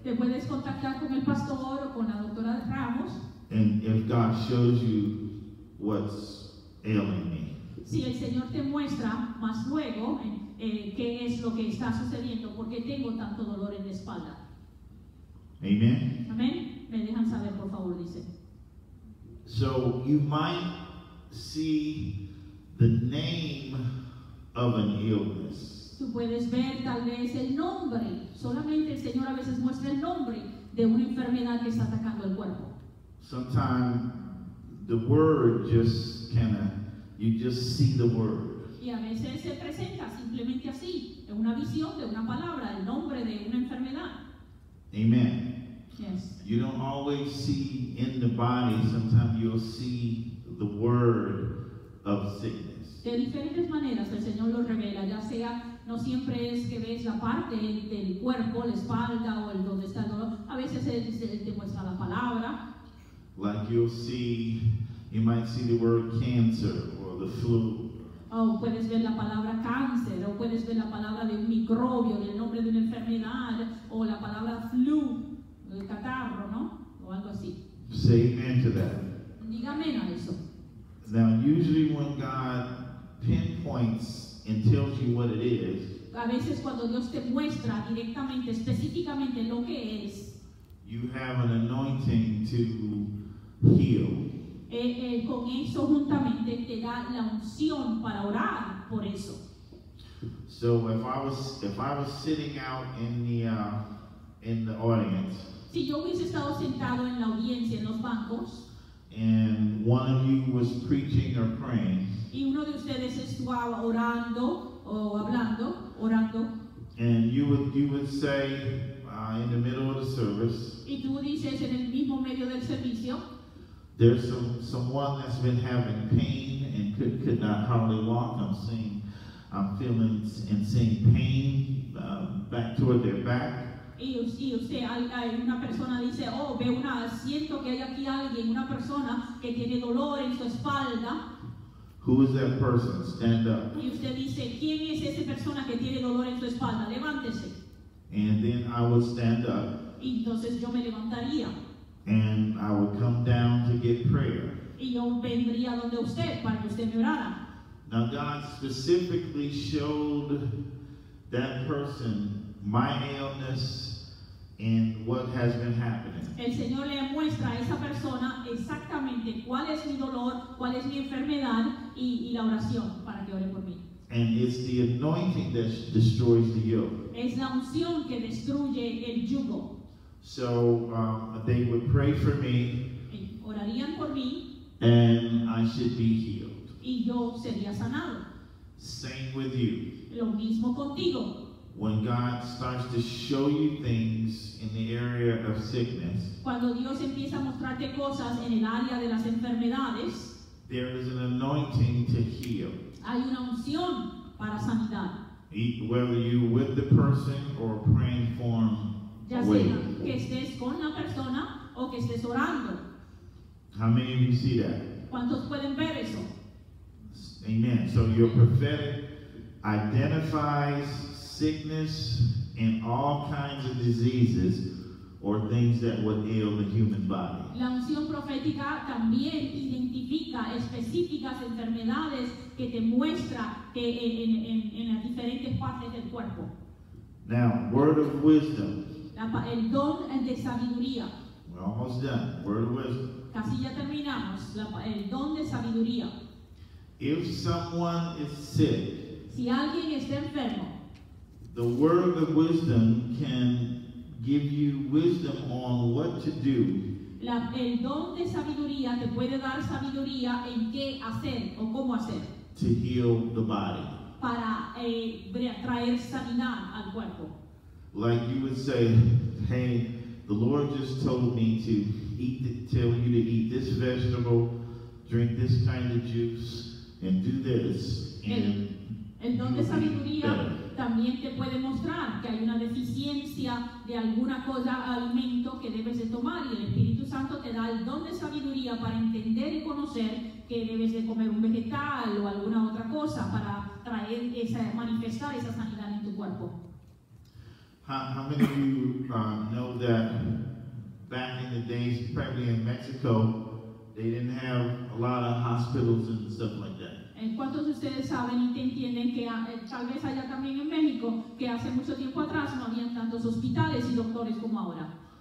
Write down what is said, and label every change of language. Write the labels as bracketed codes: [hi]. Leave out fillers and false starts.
[es] Te puedes contactar con el pastor o con la doctora Ramos. [en] And if God shows you what's ailing me. [es] Si el Señor te muestra más luego, ¿qué es lo que está sucediendo? ¿Por qué tengo tanto dolor en la espalda? Amen. Amen. Me dejan saber, por favor, dice. [en] So you might see the name of an illness. [es] Tú puedes ver tal vez el nombre. Solamente el Señor a veces muestra el nombre de una enfermedad que está atacando el cuerpo. [en] Sometimes the word just kind of, you just see the word. [es] Y a veces se presenta simplemente así, en una visión de una palabra, el nombre de una enfermedad. Amen. [en] Yes. You don't always see in the body, sometimes you'll see the word of sickness. [es] De diferentes maneras el Señor lo revela, ya sea, no siempre es que ves la parte del cuerpo, la espalda o el donde está el dolor, a veces él te muestra la palabra. [en] Like you might see the word cancer or the flu. [es] Oh, puedes ver la palabra cáncer, o puedes ver la palabra de un microbio, del nombre de una enfermedad, o la palabra flu, el catarro, ¿no? O algo así. [en] Say amen to that. [es] Dígame a eso. [en] Now, usually when God pinpoints and tells you what it is, [es] a veces cuando Dios te muestra directamente, específicamente lo que es, [en] you have an anointing to heal. [es] Con eso juntamente te da la unción para orar por eso. [en] So if I was sitting out in the audience, [es] si yo hubiese estado sentado en la audiencia, en los bancos, [en] and one of you was preaching or praying, [es] y uno de ustedes estaba orando o hablando, orando, [en] and you would say in the middle of the service, [es] y tú dices en el mismo medio del servicio, [en] there's someone that's been having pain and could not hardly walk. I'm feeling and seeing pain back toward their back. [es] Y usted, una persona dice, oh, ve una, siento que hay aquí alguien, una persona que tiene dolor en su espalda. [en] Who is that person? Stand up. [es] Y usted dice, ¿quién es esa persona que tiene dolor en su espalda? Levántese. [en] And then I would stand up. [es] Y entonces yo me levantaría. [en] And I would come down to get prayer. [es] Y yo vendría donde usted para que usted me orara. [en] Now God specifically showed that person my illness and what has been happening. [es] El Señor le muestra a esa persona exactamente cuál es mi dolor, cuál es mi enfermedad y la oración para que ore por mí. [en] And it's the anointing that destroys the yoke. [es] Es la unción que destruye el yugo. [en] So they would pray for me. [es] Orarían por mí. [en] And I should be healed. [es] Y yo sería sanado. [en] Same with you. [es] Lo mismo contigo. [en] When God starts to show you things in the area of sickness, [es] cuando Dios empieza a mostrarte cosas en el área de las enfermedades, [en] there is an anointing to heal. [es] Hay una unción para sanidad. [en] Whether you're with the person or praying for them, [es] ya sea que estés con la persona o que estés orando. [en] How many of you see that? [es] ¿Cuántos pueden ver eso? Amen. [en] So your prophetic identifies sickness and all kinds of diseases or things that would ail the human body. [es] La unción profética también identifica específicas enfermedades que te muestra que en las diferentes partes del cuerpo. [en] Now, word of wisdom. [es] El don de sabiduría. [en] We're almost done. Word of wisdom. [es] Casi ya terminamos. El don de sabiduría. [en] If someone is sick, [es] si alguien está enfermo, [en] the word of wisdom can give you wisdom on what to do. [es] El don de sabiduría te puede dar sabiduría en qué hacer o cómo hacer. [en] To heal the body. [es] Para traer sanidad al cuerpo. [en] Like you would say, hey, the Lord just told me to eat, tell you to eat this vegetable, drink this kind of juice, and do this. [es] El don de sabiduría también te puede mostrar que hay una deficiencia de alguna cosa, alimento que debes de tomar, y el Espíritu Santo te da el don de sabiduría para entender y conocer que debes de comer un vegetal o alguna otra cosa para traer esa, manifestar esa sanidad en tu cuerpo. [en] How many of you know that back in the days, probably in Mexico, they didn't have a lot of hospitals and stuff like that? [es] ¿Cuántos de ustedes saben y entienden que tal vez haya también en México que hace mucho tiempo atrás no habían tantos hospitales y doctores como ahora?